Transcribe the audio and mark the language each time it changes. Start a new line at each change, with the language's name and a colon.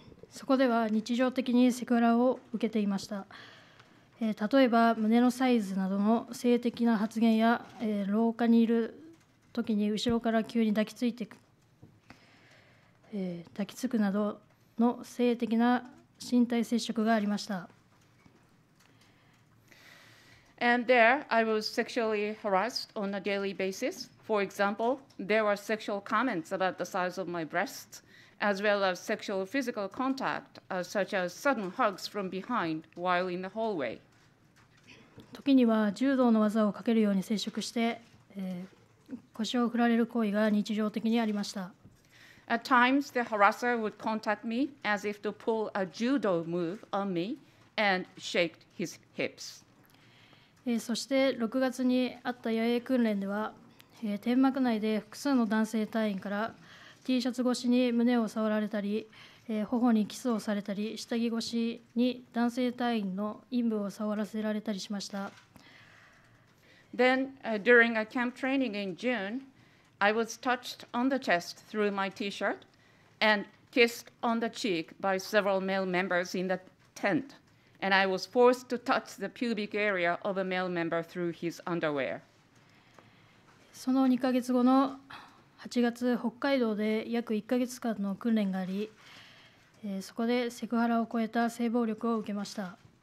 Japanese: そこでは日常的にセクハラを受けていました。例えば胸のサイズなどの性的な発言や廊下にいるときに後ろから急に抱きついて抱きつくなどの性的な身体接触がありました。
English: And there I was sexually harassed on a daily basis. For example, there were sexual comments about the size of my breasts, as well as sexual physical contact, such as sudden hugs from behind while in the hallway.
Japanese: 時には柔道の技をかけるように接触して、腰を振られる行為が日常的にありました。
English: At times, the harasser would contact me as if to pull a judo move on me and shake his hips.
Japanese: そして6月にあった野営訓練では、天幕内で複数の男性隊員から T シャツ越しに胸を触られたり、頬にキスをされたり、下着越しに男性隊員の陰部を触らせられたりしました。
English: Then, during a camp training in June, I was touched on the chest through my T-shirt and kissed on the cheek by several male members in the tent, and I was forced to touch the pubic area of a male member through his underwear.
Japanese: その2ヶ月後の8月、北海道で約1ヶ月間の訓練があり、そこでセクハラを超えた性暴力を受けました。